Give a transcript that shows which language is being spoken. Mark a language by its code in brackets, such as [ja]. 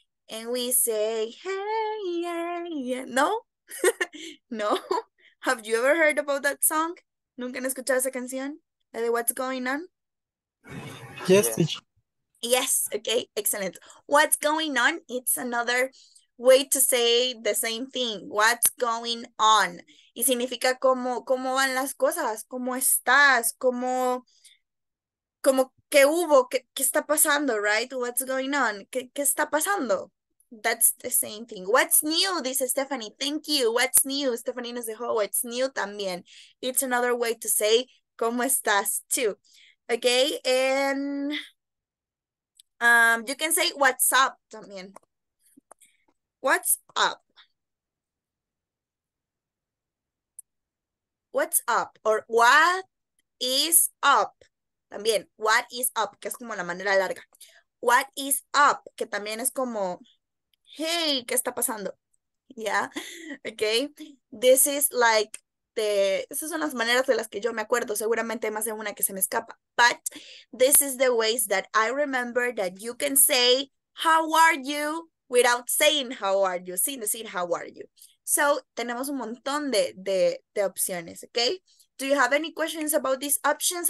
[en] And we say, hey, hey, hey. No? No? Have you ever heard about that song? [es] ¿Nunca han escuchado esa canción? La de [en] What's Going On? Yes. Yes, okay, excellent. What's going on? It's another way to say the same thing. What's going on? [es] Y significa cómo van las cosas, cómo estás, cómo qué hubo, qué está pasando, right? [en] What's going on? [es] ¿Qué está pasando? [en] That's the same thing. What's new? [es] Dice Stephanie. [en] Thank you. What's new? Stephanie [es] nos dijo, [en] what's new también. It's another way to say, [es] ¿cómo estás? [en] Too. Okay? And you can say, what's up? También. What's up? What's up? Or what is up? También. What is up? [es] Que es como la manera larga. [en] What is up? [es] Que también es como, hey, ¿qué está pasando? Yeah, okay. [en] This is like the, [es] esas son las maneras de las que yo me acuerdo. Seguramente hay más de una que se me escapa. [en] But this is the ways that I remember that you can say, how are you? Without saying how are you, [es] sin decir [en] how are you. So, [es] tenemos un montón de opciones, [en] okay? Do you have any questions about these options?